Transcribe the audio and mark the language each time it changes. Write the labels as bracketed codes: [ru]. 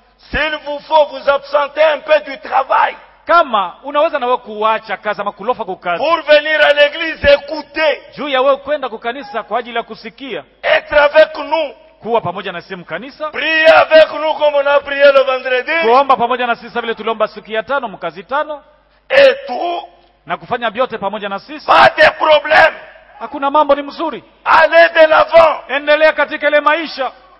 [fr] S'il vous faut vous absenter un peu du travail. [sw] Kama unaweza na wewe kuacha kazi ama kulofa kwa kazi. [fr] Pour venir à l'église écouter. [sw] Juu ya wewe kwenda kwa kanisa kwa ajili ya kusikia. [fr] Être avec nous. [sw] Kuwa pamoja na sisi mkanisa. [fr] Prier avec nous comme on a prié le vendredi. [sw] Kuomba pamoja na sisi vile tuliomba siku ya tano mkazi tano. [fr] Et tout. [sw] Na kufanya vyote pamoja na sisi. [fr] Pas de problème. [sw] Hakuna mambo ni mzuri. [fr] Allez de l'avant. [sw] Endelea katika ile maisha.